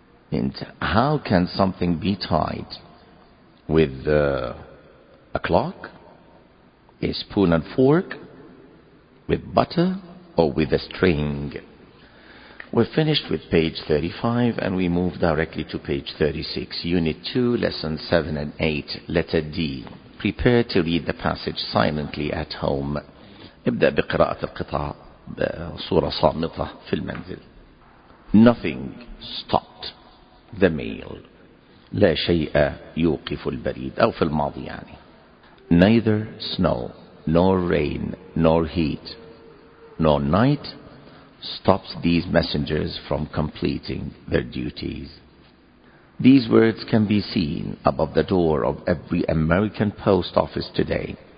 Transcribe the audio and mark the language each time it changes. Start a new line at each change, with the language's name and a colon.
English: And how can something be tied with a clock, a spoon and fork, with butter, or with a string? We're finished with page 35 and we move directly to page 36. Unit 2, lesson 7 and 8, letter D. Prepare to read the passage silently at home.
Arabic: ابدأ بقراءة القطع بصورة صامتة في المنزل.
English: Nothing stopped the mail.
Arabic: لا شيء يوقف البريد أو في الماضي يعني.
English: Neither snow, nor rain, nor heat, nor night stops these messengers from completing their duties. These words can be seen above the door of every American post office today.